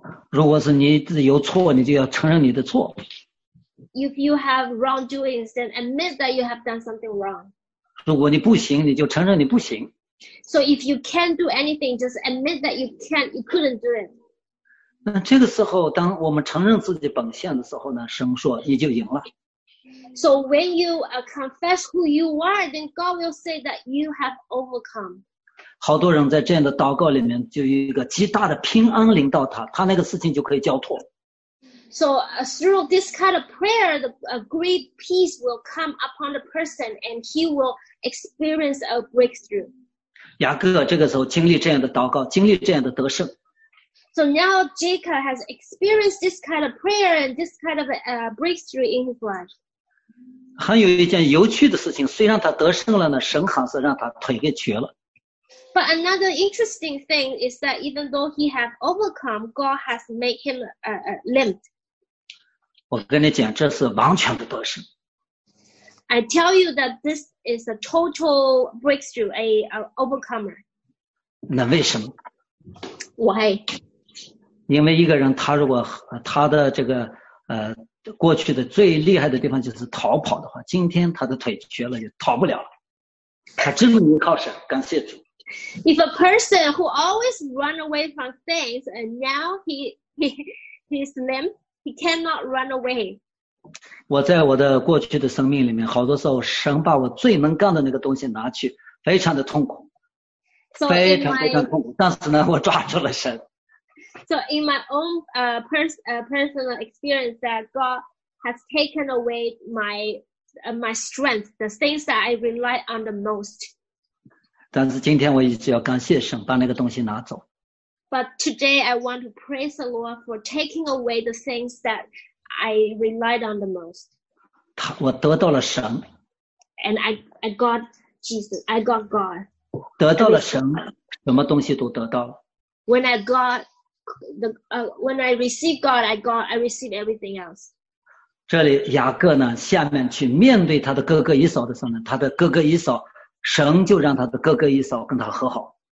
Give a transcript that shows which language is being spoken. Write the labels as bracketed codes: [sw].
[zh] 如果是你有错，你就要承认你的错。 [en] If you have wrongdoings, then admit that you have done something wrong. [zh] 如果你不行，你就承认你不行。 [en] So if you can't do anything, just admit that you couldn't do it. [zh] 那这个时候，当我们承认自己本性的时候呢，神说你就赢了。 [en] So when you confess who you are, then God will say that you have overcome. [zh] 好多人在这样的祷告里面，就有一个极大的平安临到他，他那个事情就可以交托。 [en] So through this kind of prayer, the great peace will come upon the person and he will experience a breakthrough. [zh] 雅各这个时候经历这样的祷告，经历这样的得胜。 [en] So now Jacob has experienced this kind of prayer and this kind of breakthrough in his life. [zh] 很有一件有趣的事情，虽然他得胜了呢，神好像让他腿给瘸了。 [en] But another interesting thing is that even though he has overcome, God has made him limped. [zh] 我跟你讲，这是完全的得胜。 [en] I tell you that this is a total breakthrough, an overcomer. [zh] 那为什么？ [en] Why? [zh] 因为一个人他如果他的这个过去的最厉害的地方就是逃跑的话，今天他的腿瘸了就逃不了了。他只能依靠神，感谢主。 [en] If a person who always run away from things and now he's limp, he cannot run away. [zh] 我在我的过去的生命里面，好多时候神把我最能干的那个东西拿去，非常的痛苦，非常非常痛苦。但是呢，我抓住了神。 [en] So in my own personal experience, that God has taken away my my strength, the things that I rely on the most. [zh] 但是今天我一直要感谢神，把那个东西拿走。 [en] But today I want to praise the Lord for taking away the things that. I relied on the most. [zh] 我得到了神。 [en] And I got Jesus. I got God. [zh] 得到了神，什么东西都得到了。 [en] When I got when I received God, I received everything else. [zh] 这里雅各呢，下面去面对他的哥哥以扫的时候呢，他的哥哥以扫，神就让他的哥哥以扫跟他和好。